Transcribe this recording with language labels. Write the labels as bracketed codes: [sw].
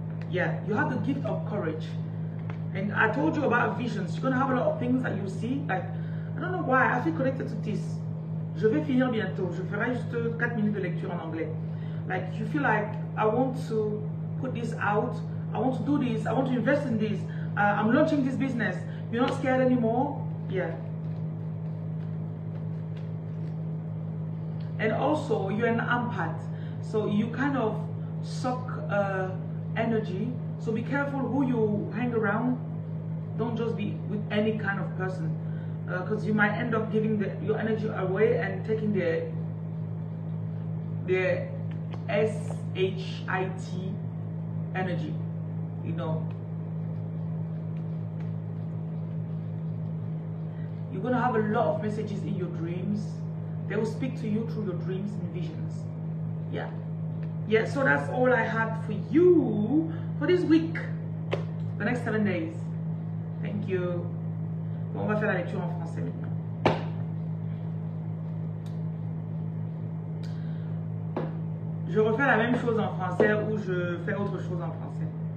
[en] Yeah, you have the gift of courage. And I told you about visions. You're gonna have a lot of things that you see. Like, I don't know why, I feel connected to this. [fr] Je vais finir bientôt. Je ferai juste 4 minutes de lecture en anglais. [en] Like, you feel like, I want to put this out. I want to do this. I want to invest in this. I'm launching this business. You're not scared anymore? Yeah. And also, you're an empath, so you kind of suck energy. So be careful who you hang around. Don't just be with any kind of person, because you might end up giving your energy away and taking the shit energy, you know. You're gonna have a lot of messages in your dreams. They will speak to you through your dreams and visions. Yeah. Yeah, so that's all I had for you for this week. The next 7 days. Thank you. [fr] Bon, on va faire la lecture en français maintenant. Je refais la même chose en français ou je fais autre chose en français.